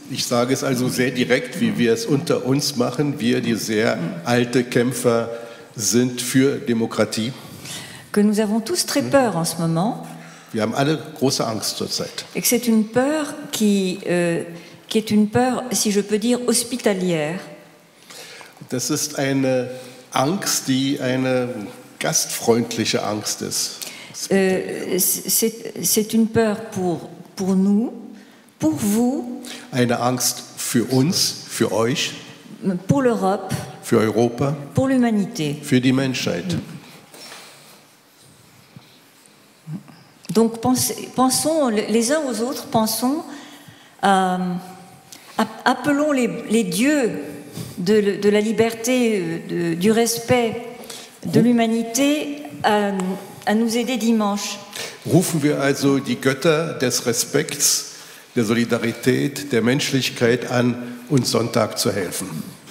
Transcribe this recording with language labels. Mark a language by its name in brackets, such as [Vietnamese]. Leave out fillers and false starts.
[German] Ich sage es also sehr direkt, wie wir es unter uns machen, wir, die sehr alte Kämpfer sind für Demokratie. [French] Que nous avons tous très peur en ce moment. [German] Wir haben alle große Angst zurzeit. [French] Et que c'est une peur qui est une peur, si je peux dire, hospitalière. [German] Das ist eine Angst, die eine gastfreundliche Angst ist. [French] C'est une peur pour nous, pour vous. [German] Eine Angst für uns, für euch. [French] Pour l'Europe. [German] Für Europa. [French] Pour l'humanité. [German] Für die Menschheit. [French] Donc pensons les uns aux autres, pensons, appelons les dieux de la liberté, du respect, de l'humanité à nous aider dimanche. [German] Rufen wir also die Götter des Respekts, der Solidarität, der Menschlichkeit an, uns Sonntag zu helfen.